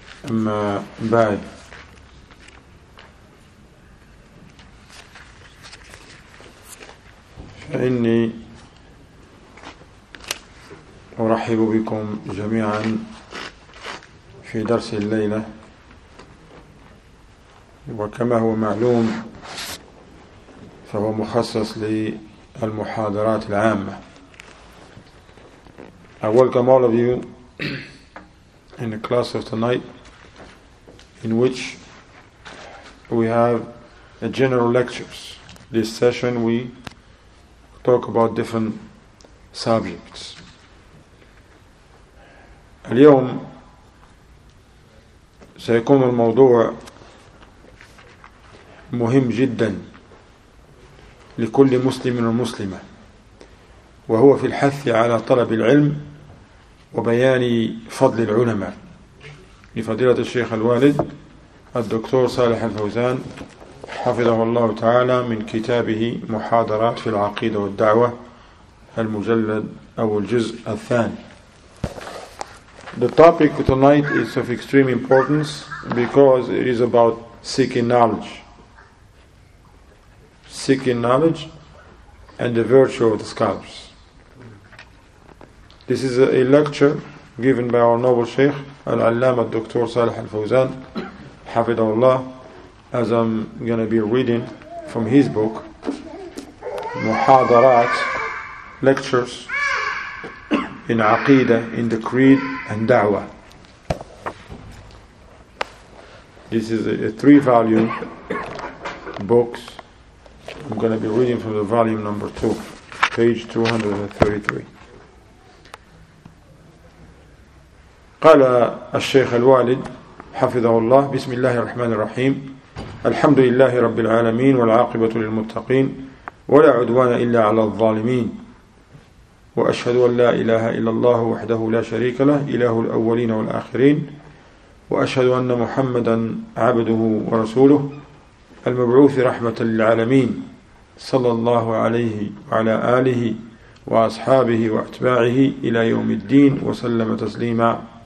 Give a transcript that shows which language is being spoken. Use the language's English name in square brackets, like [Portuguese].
[Arabic] أما بعد، فإني أرحب بكم جميعا في درس الليلة، وكما هو معلوم فهو مخصص للمحاضرات العامة. [English] I welcome all of you in the class of tonight, in which we have a general lectures. This session we talk about different subjects. [Arabic] اليوم سيكون الموضوع مهم جدا لكل مسلم ومسلمة، وهو في الحث على طلب العلم وبيان فضل العلماء، لفضيلة الشيخ الوالد الدكتور صالح الفوزان حفظه الله تعالى من كتابه محاضرات في العقيدة والدعوة المجلد أو الجزء الثاني. [English] The topic tonight is of extreme importance because it is about seeking knowledge. Seeking knowledge and the virtue of the scholars. This is a lecture given by our noble Sheikh Al-Allama Dr. Salih Al-Fawzan [Arabic] حفظه الله, [English] as I'm going to be reading from his book محاضرات, lectures in عقيدة, in the creed and دعوة. This is a three volume books. I'm going to be reading from the volume number 2, page 233. [Arabic] قال الشيخ الوالد حفظه الله: بسم الله الرحمن الرحيم، الحمد لله رب العالمين، والعاقبة للمتقين، ولا عدوان إلا على الظالمين، وأشهد أن لا إله إلا الله وحده لا شريك له، إله الأولين والآخرين، وأشهد أن محمدا عبده ورسوله المبعوث رحمة للعالمين، صلى الله عليه وعلى آله وأصحابه وأتباعه إلى يوم الدين، وسلم تسليما.